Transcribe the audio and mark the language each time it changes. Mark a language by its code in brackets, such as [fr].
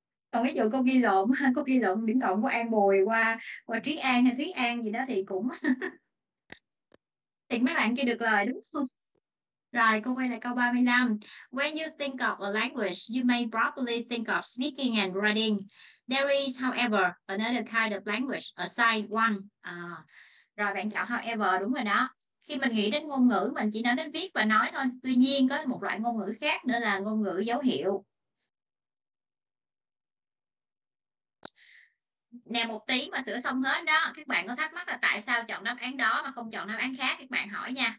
[vi] Còn ví dụ cô ghi lộn, cô ghi lộn điểm cộng của An Bùi qua qua Trí An hay Thúy An gì đó thì cũng thì mấy bạn kia được lời đúng không? Rồi, cô quay lại câu 35. [en] When you think of a language, you may probably think of speaking and writing. There is, however, another kind of language, assigned one. [vi] À, rồi, bạn chọn however, đúng rồi đó. Khi mình nghĩ đến ngôn ngữ, mình chỉ nói đến viết và nói thôi. Tuy nhiên, có một loại ngôn ngữ khác nữa là ngôn ngữ dấu hiệu. Nè một tí mà sửa xong hết đó. Các bạn có thắc mắc là tại sao chọn đáp án đó mà không chọn đáp án khác, các bạn hỏi nha.